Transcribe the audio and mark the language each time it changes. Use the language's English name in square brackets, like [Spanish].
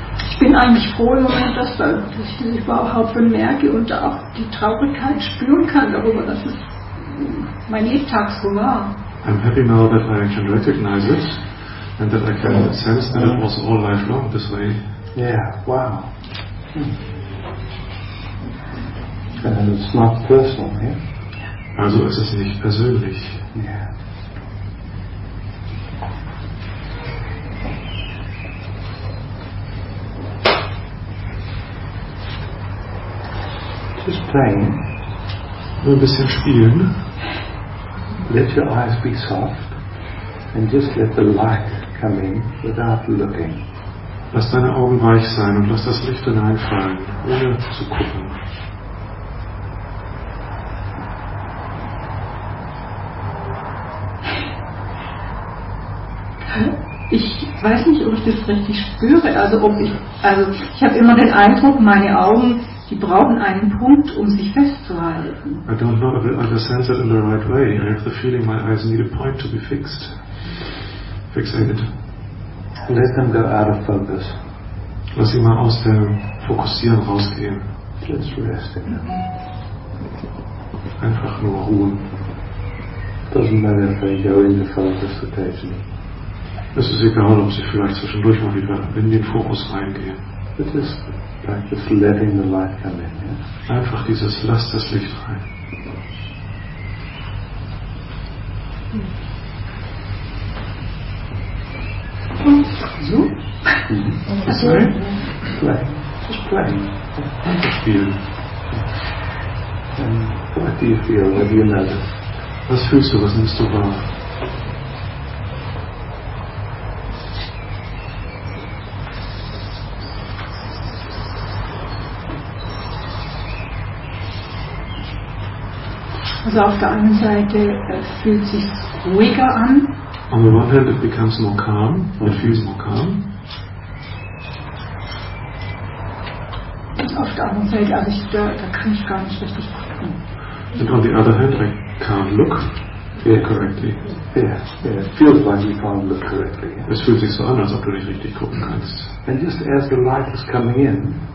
[German] Ich bin eigentlich froh im Moment, dass ich das überhaupt bemerke und auch die Traurigkeit spüren kann darüber, dass es mein Lebtag so war. [English] I'm happy now that I can recognize it and that I can sense that it was all life long this way. Yeah, wow. And it's not personal, yeah? [German] Also ist es nicht persönlich. [English] Yeah. Just playing. [German] Nur ein bisschen spielen. [English] Let your eyes be soft and just let the light come in without looking. [German] Lass deine Augen weich sein und lass das Licht hineinfallen, ohne zu gucken. Ich weiß nicht, ob ich das richtig spüre. Also ich habe immer den Eindruck, meine Augen, die brauchen einen Punkt, um sich festzuhalten. [English] I don't know if I understand that in the right way. I have the feeling my eyes need a point to be fixed. Fixated. Let them go out of focus. [German] Lass sie mal aus dem Fokussieren rausgehen. [English] Just rest in them. [German] Einfach nur ruhen. [English] Doesn't matter if they go into focus occasionally. [German] Es ist egal, ob sie vielleicht zwischendurch mal wieder in den Fokus reingehen. [English] It is like just letting the light come in, yeah? [German] Einfach dieses Lass das Licht rein. So? Mm-hmm. Okay. Spielen. [English] What do you feel? What do you know? [German] Was fühlst du? Was nimmst du wahr? Also auf der einen Seite fühlt es sich ruhiger an. [English] On the one hand, it becomes more calm, it feels more calm. [German] Auf der anderen Seite, also da kann ich gar nicht richtig gucken. [English] And on the other hand, I can't look here correctly. Yeah, it feels like you can't look correctly. [German] Es fühlt sich so an, als ob du nicht richtig gucken kannst. [English] And just as the light is coming in,